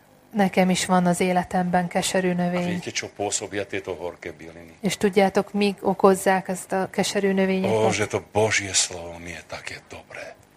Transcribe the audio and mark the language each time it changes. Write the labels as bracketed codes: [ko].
[hu] Nekem is van az életemben keserű növény. [sk] A viete, čo pôsobia tieto horké byliny? [hu] És tudjátok, mi okozzák ezt a keserű növényeket? [sk] Ó, že to Božie slovo mi je také dobré.